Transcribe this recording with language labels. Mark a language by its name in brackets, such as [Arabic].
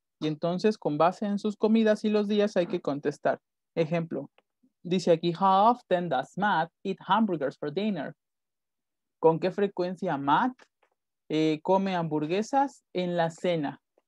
[Spanish] Y entonces, con base en sus comidas y los días, hay que contestar. Ejemplo. Dice aquí, [English] how often does Matt eat hamburgers for dinner? [Spanish] ¿Con qué frecuencia Matt come hamburguesas en la cena?